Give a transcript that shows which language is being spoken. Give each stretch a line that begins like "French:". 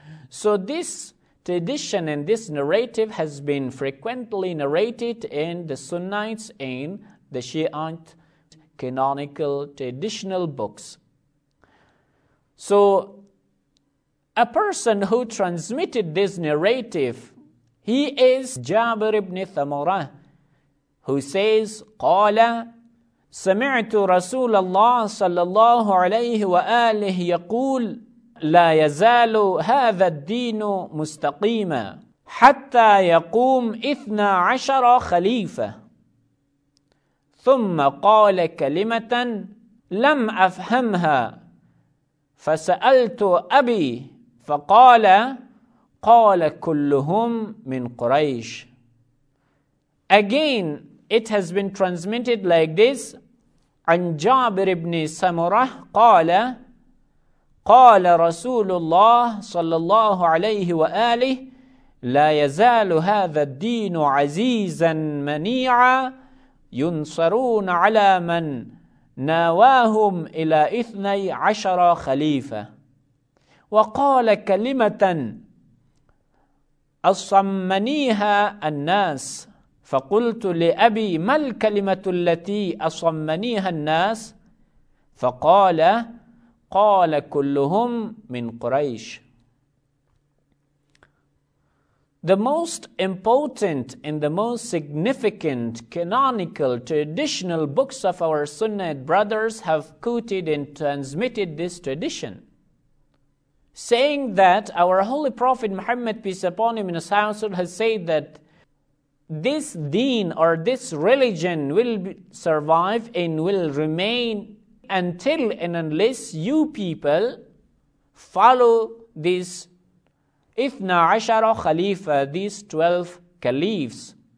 English: So this tradition and this narrative has been frequently narrated in the Sunnites and the Shi'ite canonical traditional books. So a person who transmitted this narrative He is Jabir ibn Thamurah, who says,
Arabic: قَالَ سَمِعْتُ رَسُولَ اللَّهِ صَلَّى اللَّهُ عَلَيْهِ وَآلِهِ يَقُولُ لَا يَزَالُ هَذَا الدِّينُ مُسْتَقِيمًا حَتَّى يَقُومَ 12 خَلِيفَةً ثُمَّ قَالَ كَلِمَةً لَمْ أَفْهَمْهَا فَسَأَلْتُ أَبِي فَقَالَ قَالَ كُلُّهُمْ مِنْ قُرَيْشِ.
English: Again, it has been transmitted like this.
Arabic: عن جابر بن سمره قال قال رسول الله صلى الله عليه وآله لا يزال هذا الدين عزيزا منيعا ينصرون على من ناواهم إلى 12 خليفة وقال كلمة أصمنيها الناس فقلت لأبي ما الكلمة التي أصمنيها الناس فقال قال كلهم من قريش.
English: The most important and the most significant canonical traditional books of our Sunnah brothers have quoted and transmitted this tradition, saying that our Holy Prophet Muhammad, peace upon him, in his household has said that this deen or this religion will survive and will remain until and unless you people follow this 12 Khalifa, these 12 Caliphs.